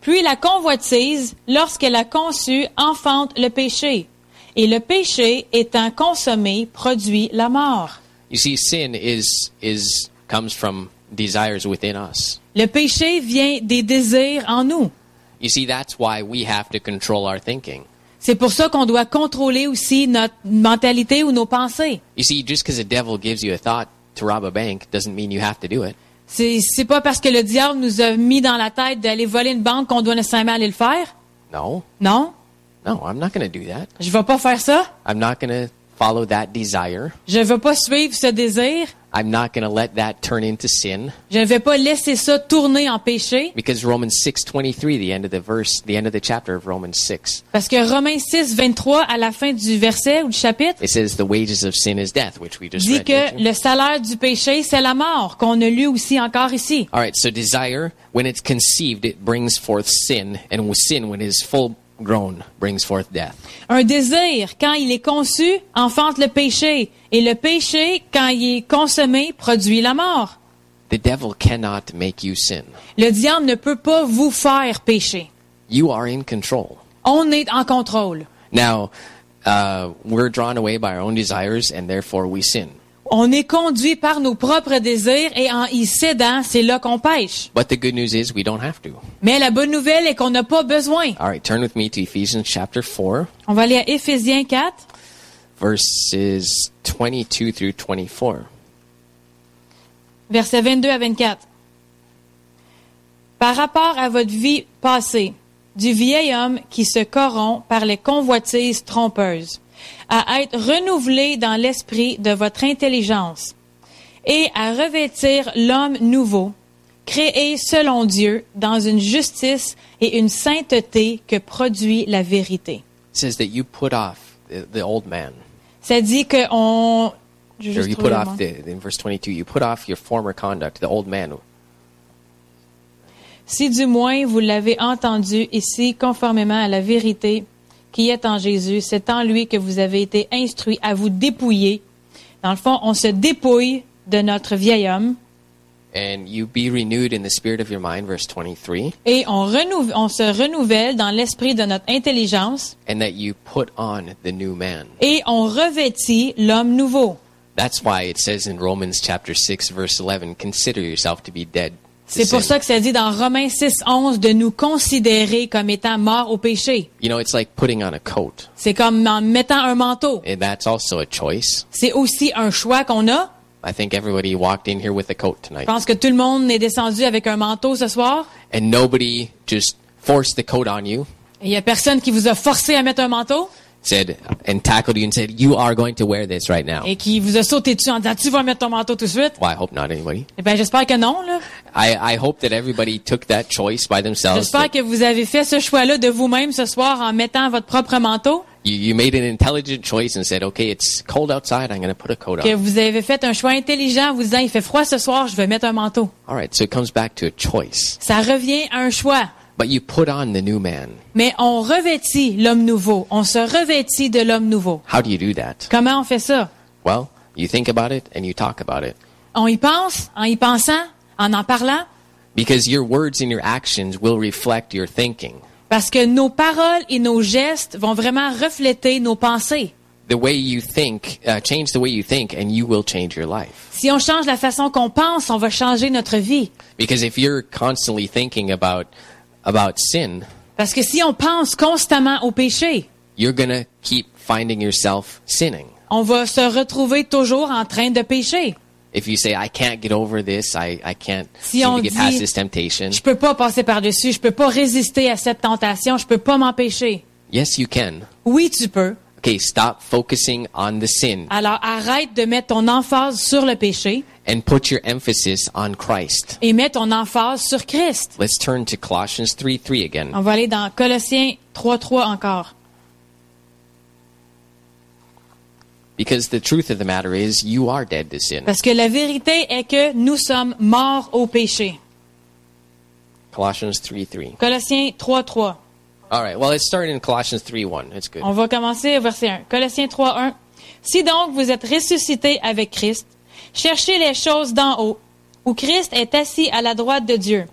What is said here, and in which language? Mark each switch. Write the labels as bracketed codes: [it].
[fr] Puis la convoitise, lorsqu'elle a conçu, enfante le péché. Et le péché, étant consommé, produit la mort. [en] You see, sin comes from desires within us. [fr] Le péché vient des désirs en nous. [en] You see, that's why we have to control our thinking. [fr] C'est pour ça qu'on doit contrôler aussi notre mentalité ou nos pensées. [en] You see, just because the devil gives you a thought to rob a bank doesn't mean you have to do it. [fr] C'est pas parce que le diable nous a mis dans la tête d'aller voler une banque qu'on doit nécessairement aller le faire. Non. Non. [en] No, I'm not going to do that. [fr] Je vais pas faire ça. [en] I'm not going to follow that desire. [fr] Je vais pas suivre ce désir. [en] I'm not going to let that turn into sin. [fr] Je ne vais pas laisser ça tourner en péché. [en] Because Romans 6:23, the end of the verse, the end of the chapter of Romans 6. [fr] Parce que Romains 6:23, à la fin du verset ou du chapitre, [en] it says the wages of sin is death, which we just read. [fr] Dit que le salaire du péché c'est la mort, qu'on a lu aussi encore ici. [en] All right, so desire, when it's conceived, it brings forth sin, and sin, when it's full grown, brings forth death. [fr] Un désir, quand il est conçu, enfante le péché. Et le péché, quand il est consommé, produit la mort. [en] The devil cannot make you sin. [fr] Le diable ne peut pas vous faire pécher. [en] You are in control. [fr] On est en contrôle. [en] Now, we're drawn away by our own desires and therefore we sin. [fr] On est conduit par nos propres désirs et en y cédant, c'est là qu'on pêche. [en] But the good news is we don't have to. [fr] Mais la bonne nouvelle est qu'on n'a pas besoin. [en] All right, turn with me to Ephesians chapter 4. [fr] On va aller à Éphésiens 4. [en] Verses 22 through 24. [fr] Versets 22 à 24. Par rapport à votre vie passée, du vieil homme qui se corrompt par les convoitises trompeuses, à être renouvelé dans l'esprit de votre intelligence et à revêtir l'homme nouveau, créé selon Dieu dans une justice et une sainteté que produit la vérité. [en] It says that you put off the old man. [fr] Ça dit que on... [en] You put off the, in verse 22, you put off your former conduct, the old man. [fr] si du moins vous l'avez entendu ici, conformément à la vérité qui est en Jésus, c'est en lui que vous avez été instruits à vous dépouiller. Dans le fond, on se dépouille de notre vieil homme. [en] And you be renewed in the spirit of your mind, verse 23. [fr] Et on se renouvelle dans l'esprit de notre intelligence. [en] And that you put on the new man. [fr] Et on revêtit l'homme nouveau. [en] That's why it says in Romans chapter 6, verse 11, consider yourself to be dead. [fr] C'est pour ça que ça dit dans Romains 6, 11 de nous considérer comme étant morts au péché. [en] You know, it's like putting on a coat. [fr] C'est comme en mettant un manteau. [en] And that's also a choice. [fr] C'est aussi un choix qu'on a. [en] I think everybody walked in here with a coat tonight. [fr] Je pense que tout le monde est descendu avec un manteau ce soir. [en] And nobody just forced the coat on you. [fr] Il y a personne qui vous a forcé à mettre un manteau. [en] Said and tackled you and said you are going to wear this right now. [fr] Et qui vous a sauté dessus en disant tu vas mettre ton manteau tout de suite. [en] Well, I hope not anybody. [fr] Et ben j'espère que non là. [en] I hope that everybody took that choice by themselves. [fr] J'espère que vous avez fait ce choix là de vous-même ce soir en mettant votre propre manteau. [en] You made an intelligent choice and said, okay, it's cold outside, I'm going to put a coat on. [fr] Que vous avez fait un choix intelligent, vous disant, il fait froid ce soir, je vais mettre un manteau. [en] All right, so it comes back to a choice. [fr] Ça revient à un choix. [en] But you put on the new man. [fr] Mais on revêtit l'homme nouveau. On se revêtit de l'homme nouveau. [en] How do you do that? [fr] Comment on fait ça? [en] Well, you think about it and you talk about it. [fr] On y pense, en y pensant, en parlant. [en] Because your words and your actions will reflect your thinking. [fr] Parce que nos paroles et nos gestes vont vraiment refléter nos pensées. [en] The way you think, change the way you think and you will change your life. [fr] Si on change la façon qu'on pense, on va changer notre vie. [en] Because if you're constantly thinking about sin, [fr] parce que si on pense constamment au péché, [en] you're gonna keep finding yourself sinning. [fr] On va se retrouver toujours en train de pécher. [en] If you say I can't get over this, I can't seem to get past this temptation. [fr] Je peux pas passer par-dessus, je peux pas résister à cette tentation, je peux pas m'empêcher. [en] Yes, you can. [fr] Oui, tu peux. [en] Okay, stop focusing on the sin. [fr] Alors arrête de mettre ton emphase sur le péché. [en] And put your emphasis on Christ. [fr] Et mets ton emphase sur Christ. [en] Let's turn to Colossians 3:3 again. [fr] On va aller dans Colossiens 3:3 encore. [en] Because the truth of the matter is, you are dead to sin. [fr] Parce que la vérité est que nous sommes morts au péché. [en] Colossians 3:3. [fr] Colossiens 3:3. [en] All right, well, let's start in Colossians 3:1. It's good. [fr] On va commencer au verset 1. Colossiens 3:1. Si donc vous êtes ressuscité avec Christ, cherchez les choses d'en haut, où Christ est assis à la droite de Dieu.